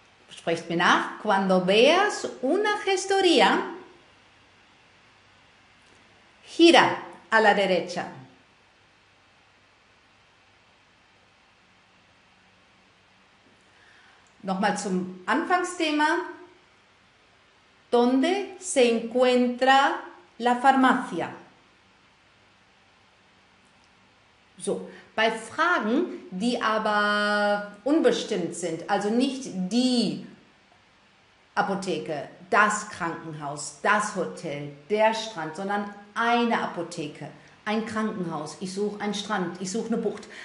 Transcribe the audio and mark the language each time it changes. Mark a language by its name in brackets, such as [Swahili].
[German] Sprecht mir nach. [Spanish] Cuando veas una Gestoria, gira. A la derecha. [German] Nochmal zum Anfangsthema. [Spanish] ¿Dónde se encuentra la farmacia? [German] So, bei Fragen, die aber unbestimmt sind, also nicht die Apotheke, das Krankenhaus, das Hotel, der Strand, sondern eine Apotheke, ein Krankenhaus, ich suche einen Strand, ich suche eine Bucht.